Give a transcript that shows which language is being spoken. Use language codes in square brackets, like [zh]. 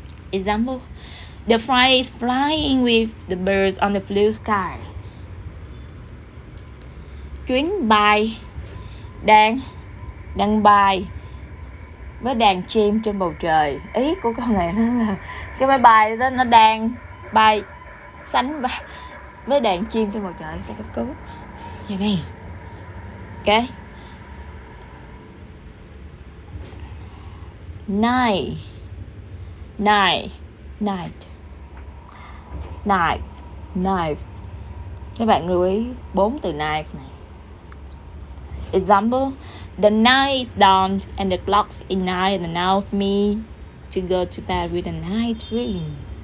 [en] Example: the fly is flying with the birds on the blue sky. [vi] Chuyến bay đang bay với đàn chim trên bầu trời. Ý của câu này là cái máy bay đó nó đang bay sánh với đàn chim trên bầu trời. Sẽ cấp cứu vậy này. Ok. [en] Knife. [vi] Các bạn lưu ý bốn từ knife này. [en] Example: the knife is down and the clock in nine announced me to go to bed with a night dream.